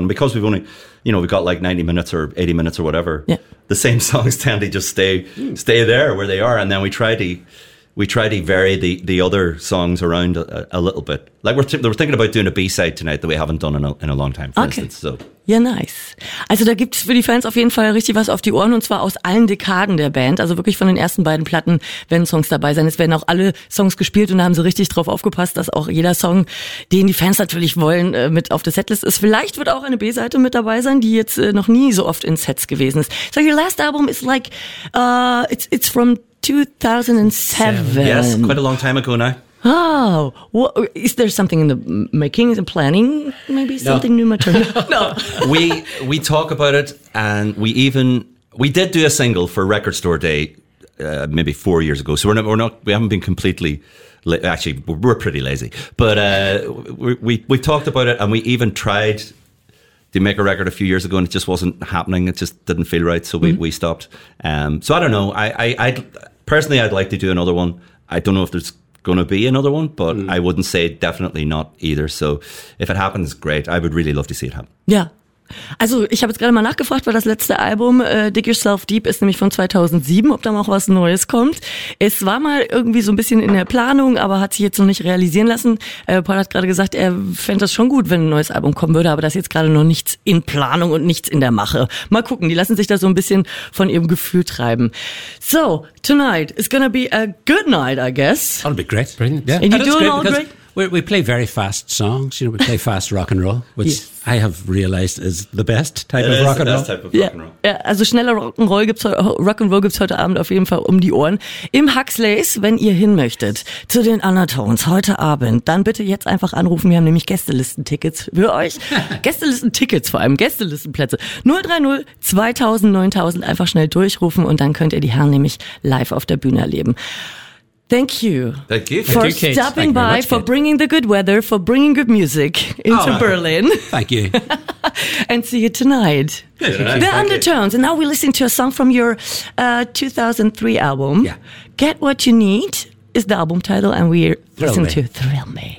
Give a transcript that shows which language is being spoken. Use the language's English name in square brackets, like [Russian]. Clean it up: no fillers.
[English] And because we've only, you know, we've got like 90 minutes or 80 minutes or whatever. Yeah. The same songs tend to just stay there where they are, and then we try to vary the other songs around a little bit. Like we're thinking about doing a B-side tonight that we haven't done in a long time, for instance. So. [German] Ja, nice. Also da gibt's für die Fans auf jeden Fall richtig was auf die Ohren und zwar aus allen Dekaden der Band. Also wirklich von den ersten beiden Platten werden Songs dabei sein. Es werden auch alle Songs gespielt und da haben sie richtig drauf aufgepasst, dass auch jeder Song, den die Fans natürlich wollen, mit auf der Setlist ist. Vielleicht wird auch eine B-Seite mit dabei sein, die jetzt noch nie so oft in Sets gewesen ist. [English] So your last album is like, it's from 2007. Yes, quite a long time ago now. Oh, what, is there something in the making, the planning, maybe something new material? No. We talk about it, and we did do a single for Record Store Day maybe 4 years ago, so we haven't been completely, we're pretty lazy, but we talked about it, and we even tried to make a record a few years ago, and it just wasn't happening, it just didn't feel right, so we stopped. So I don't know, I'd like to do another one. I don't know if there's going to be another one, but I wouldn't say definitely not either. So if it happens, great. I would really love to see it happen. Yeah. [German] Also ich habe jetzt gerade mal nachgefragt, weil das letzte Album, Dig Yourself Deep, ist nämlich von 2007, ob da noch was Neues kommt. Es war mal irgendwie so ein bisschen in der Planung, aber hat sich jetzt noch nicht realisieren lassen. Paul hat gerade gesagt, er fände das schon gut, wenn ein neues Album kommen würde, aber da ist jetzt gerade noch nichts in Planung und nichts in der Mache. Mal gucken, die lassen sich da so ein bisschen von ihrem Gefühl treiben. [English] So, tonight is gonna be a good night, I guess. That'll be great. Brilliant. Yeah. And you doing all great? We play very fast songs, you know, we play fast rock and roll, which I have realized is the best type of rock and roll. It is the best type of rock and roll. [German] Ja, also schneller Rock and Roll gibt's heute Abend auf jeden Fall um die Ohren. Im Huxley's, wenn ihr hin möchtet, zu den Undertones heute Abend, dann bitte jetzt einfach anrufen. Wir haben nämlich Gästelistentickets für euch. Gästelistentickets vor allem, Gästelistenplätze. 030 2000 9000, einfach schnell durchrufen und dann könnt ihr die Herren nämlich live auf der Bühne erleben. [English] Thank you. Thank you. For Thank you, Kate. Stopping by, you much, for Kate. Bringing the good weather, for bringing good music into Berlin. Thank you. And see you tonight. Good. The Undertones. And now we listen to a song from your 2003 album. Yeah. Get What You Need is the album title, and we listen to Thrill Me.